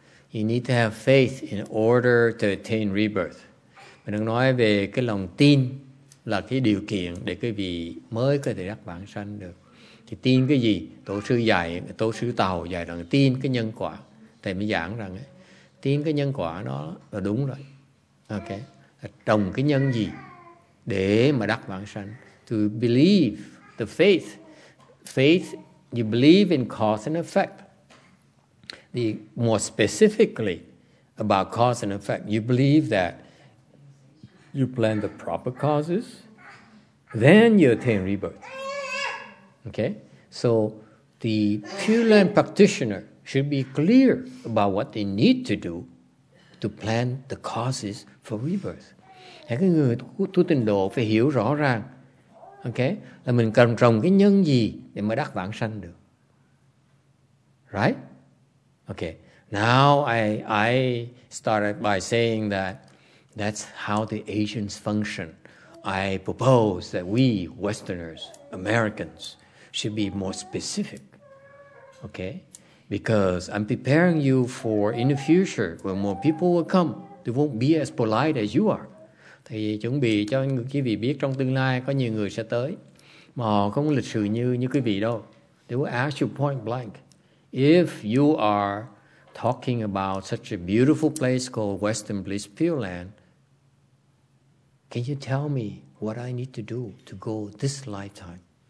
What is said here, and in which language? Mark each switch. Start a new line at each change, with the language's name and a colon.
English: You need to have faith in order to attain rebirth.
Vietnamese: Mình đang nói về cái lòng tin là cái điều kiện để quý vị mới có thể đắc vãng sanh được. Thì tin cái gì? Tổ sư dạy, tổ sư Tàu dạy rằng tin cái nhân quả. Thầy mới giảng rằng ấy, tin cái nhân quả đó là đúng rồi. Okay. Trồng cái nhân gì để mà đắc vãng sanh?
English: To believe, the faith. Faith, you believe in cause and effect. The more specifically about cause and effect, you believe that you plan the proper causes, then you attain rebirth. Okay? So the Pure Land practitioner should be clear about what they need to do to plan the causes for rebirth.
Vietnamese: Thế cái người tu tịnh độ phải hiểu rõ ràng, okay, là mình cần trồng cái nhân gì để mà đắc vãng sanh được.
English: Right? Okay, now I started by saying that that's how the Asians function. I propose that we Westerners, Americans, should be more specific. Okay, because I'm preparing you for in the future when more people will come, they won't be as polite as you are.
Vietnamese: Thì chuẩn bị cho quý vị biết trong tương lai có nhiều người sẽ tới mà họ không lịch sự như quý vị đâu.
English: They will ask you point blank. If you are talking about such a beautiful place called Western Bliss Pure Land, can you tell me what I need to do to go this lifetime?